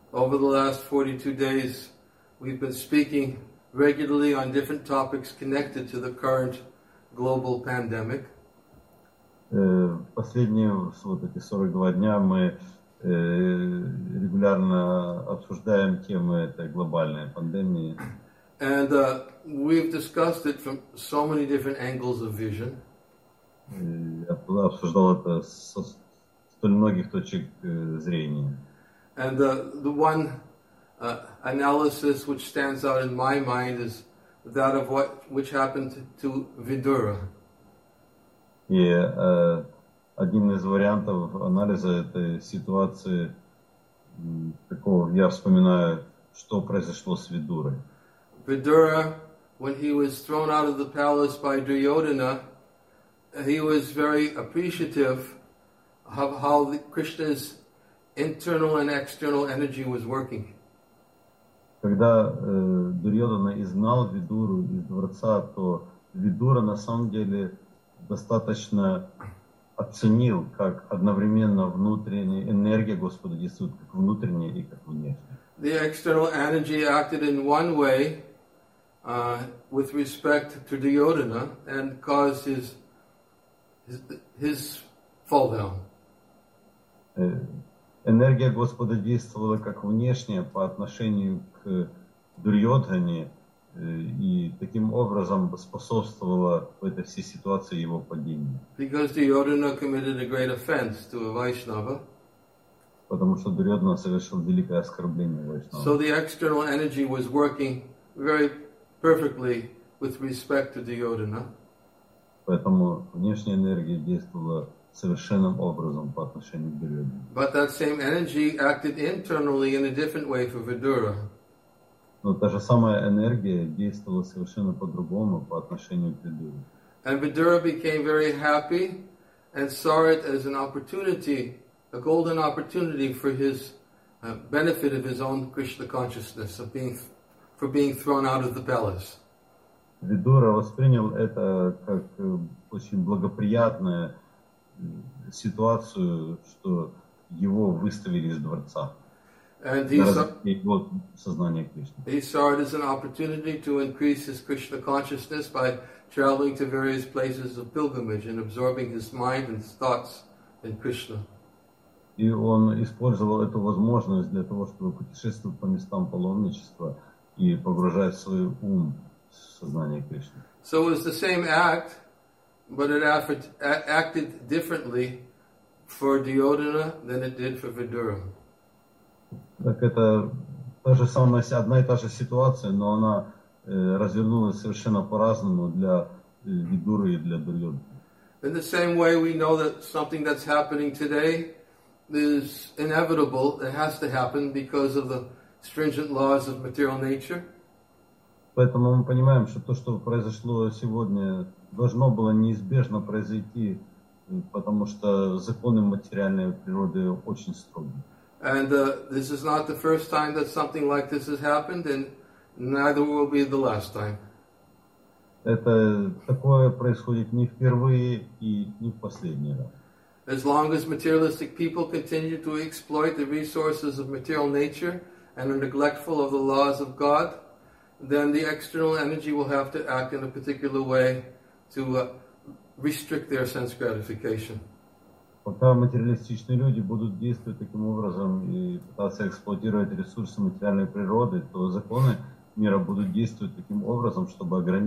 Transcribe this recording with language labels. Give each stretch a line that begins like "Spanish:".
English: Over the last 42 days, we've been speaking regularly on different topics connected to the current global pandemic.
Russian: Последние вот эти 42 дня мы регулярно обсуждаем темы этой глобальной пандемии.
English: And we've discussed it from so many different angles of vision.
Russian: Я обсуждал это со столь многих точек зрения.
English: And the one analysis which stands out in my mind is that of what which happened to Vidura.
Russian: И один из вариантов анализа этой ситуации такого я вспоминаю, что произошло с Видурой.
English: Vidura, when he was thrown out of the palace by Duryodhana, he was very appreciative of how Krishna's internal and external energy was working.
Russian: Когда Дурьодхана изгнал Видуру из дворца, то Видура на самом деле достаточно оценил, как одновременно внутренняя энергия Господа действует, как внутренняя и как внешняя.
English: The external energy acted in one way with respect to Duryodhana and caused his fall down.
Russian: Энергия Господа действовала как внешняя по отношению к Дурьодхане и таким образом способствовала в этой всей ситуации его падению.
English: Because Duryodhana committed a great offense to a Vaishnava.
Russian: Потому что Дурьодхана совершил великое оскорбление Вайшнава.
English: So the external energy was working very perfectly with respect to Duryodhana.
Russian: Поэтому внешняя энергия действовала совершенным образом по отношению к Дурьодхане.
English: But that same energy acted internally in a different way for Vidura.
Russian: Но та же самая энергия действовала совершенно по-другому по отношению к Видуре.
English: And Vidura became very happy and saw it as an opportunity, a golden opportunity for his benefit of his own Krishna consciousness of being for being thrown out of the palace.
Russian: Видура воспринял это как очень благоприятную ситуацию, что его выставили из дворца
English: And
Russian: на развитие сознания Кришны.
English: He saw it as an opportunity to increase his Krishna consciousness by traveling to various places of pilgrimage and absorbing his mind and his thoughts in Krishna.
Russian: И он использовал эту возможность для того, чтобы путешествовать по местам паломничества и погружать свой ум в сознание Кришны.
English: So it was the same act, but it acted differently for Duryodhana than it did for Vidura.
Russian: Так это та же самая, одна и та же ситуация, но она развернулась совершенно по-разному для Видуры и для Дурьоды.
English: In the same way we know that something that's happening today is inevitable, it has to happen because of the stringent laws of material nature.
Russian: Поэтому мы понимаем, что то, что произошло сегодня, должно было неизбежно произойти, потому что законы материальной природы очень строгие.
English: And this is not the first time that something like this has happened, and neither will be the last time.
Russian: Это такое происходит не впервые и не в последний раз.
English: As long as materialistic people continue to exploit the resources of material nature and are neglectful of the laws of God, then the external energy will have to act in a particular way to restrict their sense gratification.
Russian: Пока материалистичные люди будут действовать таким образом и пытаться эксплуатировать ресурсы материальной природы, то законы мира будут действовать таким образом, чтобы